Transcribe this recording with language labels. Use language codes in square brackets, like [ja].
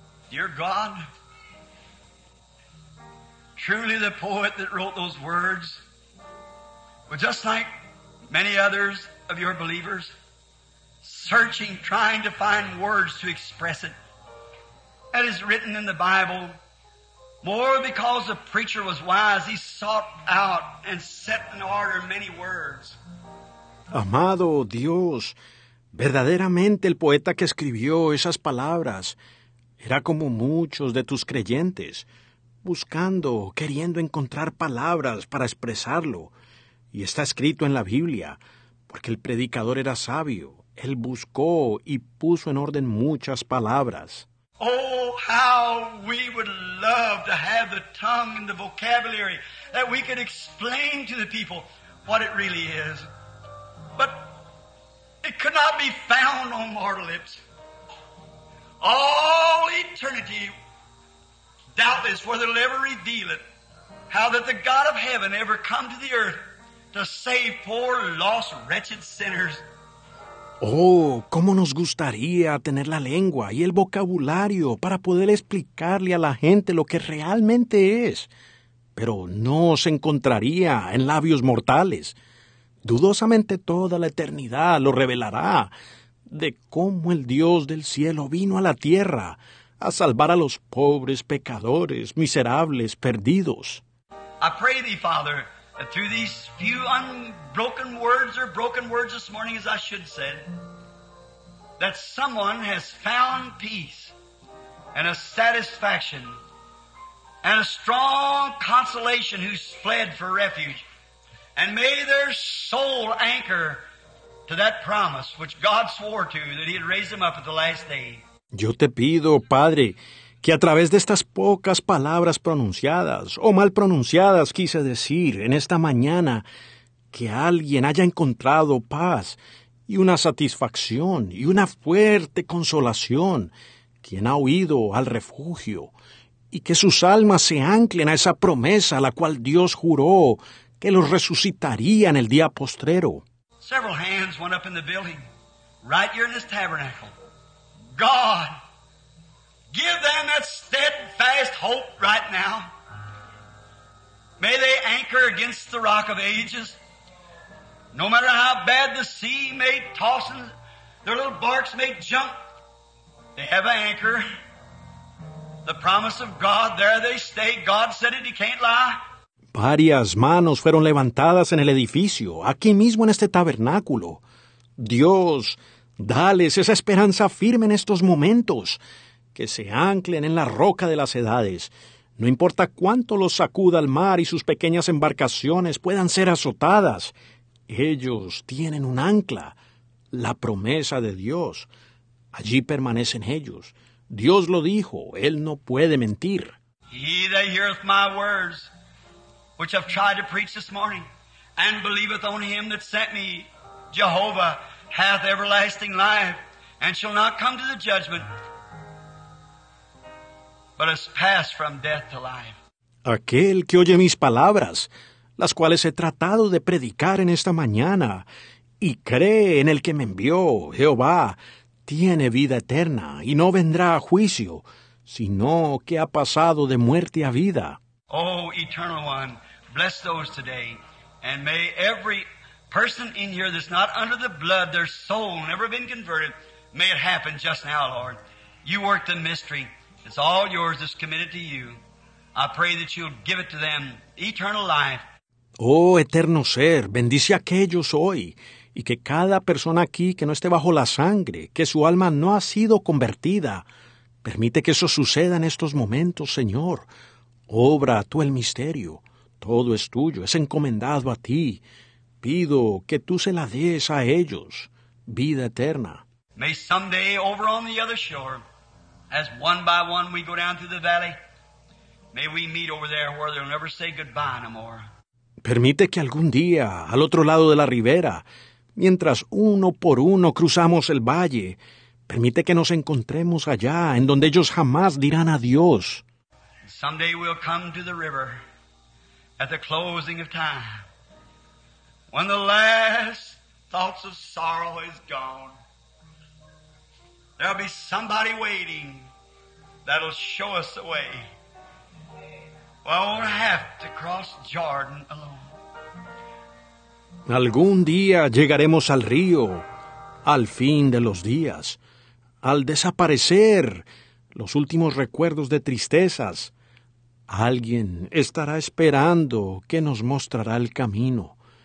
[en] Dear God, truly the poet that wrote those words, but just like many others of your believers, searching, trying to find words to express it. That is written in the Bible. More because the preacher was wise, he sought out and set in order many words. [es] Amado Dios, verdaderamente el poeta que escribió esas palabras era como muchos de tus creyentes, buscando, queriendo encontrar palabras para expresarlo. Y está escrito en la Biblia, porque el predicador era sabio. Él buscó y puso en orden muchas palabras. [en] Oh, how we would love to have the tongue and the vocabulary that we could explain to the people what it really is. But it could not be found on mortal lips. All eternity, doubtless, whether they'll ever reveal it, How did the God of heaven ever come to the earth to save poor, lost, wretched sinners? [es] Oh, cómo nos gustaría tener la lengua y el vocabulario para poder explicarle a la gente lo que realmente es. Pero no se encontraría en labios mortales. Dudosamente toda la eternidad lo revelará de cómo el Dios del cielo vino a la tierra a salvar a los pobres pecadores, miserables, perdidos. [en] I pray thee, Father, that through these few unbroken words or broken words this morning, as I should have said, that someone has found peace and a satisfaction and a strong consolation who's fled for refuge. And may their soul anchor to that promise which God swore to that he had raised them up at the last day. [es] Yo te pido, Padre, que a través de estas pocas palabras pronunciadas, o mal pronunciadas, quise decir, en esta mañana, que alguien haya encontrado paz y una satisfacción y una fuerte consolación, quien ha huido al refugio, y que sus almas se anclen a esa promesa a la cual Dios juró que los resucitaría en el día postrero. [en] Several hands went up in the building, right here in this tabernacle. God, give them that steadfast hope right now. May they anchor against the rock of ages. No matter how bad the sea may toss and their little barks may jump, they have an anchor. The promise of God, there they stay. God said it, he can't lie. [es] Varias manos fueron levantadas en el edificio, aquí mismo en este tabernáculo. Dios, dales esa esperanza firme en estos momentos. Que se anclen en la roca de las edades. No importa cuánto los sacuda el mar y sus pequeñas embarcaciones puedan ser azotadas, ellos tienen un ancla, la promesa de Dios. Allí permanecen ellos. Dios lo dijo, él no puede mentir. [en] He that heareth my words, which I've tried to preach this morning, and believeth on him that sent me, Jehovah, hath everlasting life, and shall not come to the judgment, but has passed from death to life. [es] Aquel que oye mis palabras, las cuales he tratado de predicar en esta mañana, y cree en el que me envió, Jehová, tiene vida eterna, y no vendrá a juicio, sino que ha pasado de muerte a vida. [en] Oh, Eternal One, bless those today, and may every person in here that's not under the blood, their soul never been converted, may it happen just now, Lord. You work the mystery. It's all yours. It's committed to you. I pray that you'll give it to them, eternal life. [es] Oh, eterno ser, bendice a aquellos hoy, y que cada persona aquí que no esté bajo la sangre, que su alma no ha sido convertida, permite que eso suceda en estos momentos, Señor. Obra tú el misterio. Todo es tuyo, es encomendado a ti. Pido que tú se la des a ellos, vida eterna. [en] May someday over on the other shore, as one by one we go down through the valley, may we meet over there where they'll never say goodbye no more. [es] Permite que algún día, al otro lado de la ribera, mientras uno por uno cruzamos el valle, permite que nos encontremos allá en donde ellos jamás dirán adiós. [en] Someday we'll come to the river at the closing of time, when the last thoughts of sorrow is gone. There'll be somebody waiting that'll show us the way. Well, I won't have to cross Jordan alone. [es] Algún día llegaremos al río, al fin de los días, al desaparecer los últimos recuerdos de tristezas. Alguien estará esperando que nos mostrará el camino.